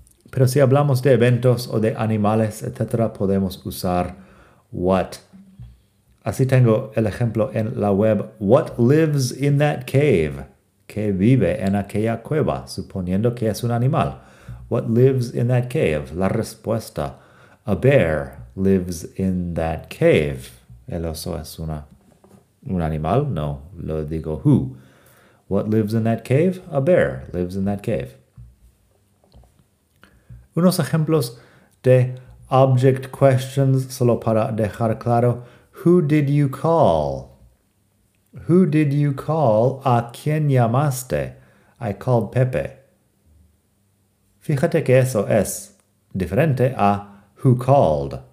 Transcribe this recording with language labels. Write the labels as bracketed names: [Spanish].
[Spanish] Pero si hablamos de eventos o de animales, etc., podemos usar what. Así tengo el ejemplo en la web, [English] what lives in that cave? [Spanish] ¿Qué vive en aquella cueva? Suponiendo que es un animal. [English] What lives in that cave? [Spanish] La respuesta. [English] A bear lives in that cave. [Spanish] ¿El oso es un animal? No, lo digo [English] who. What lives in that cave? A bear lives in that cave. [Spanish] Unos ejemplos de object questions, solo para dejar claro. [English] Who did you call? Who did you call? [Spanish] ¿A quién llamaste? [English] I called Pepe. [Spanish] Fíjate que eso es diferente a [English] who called.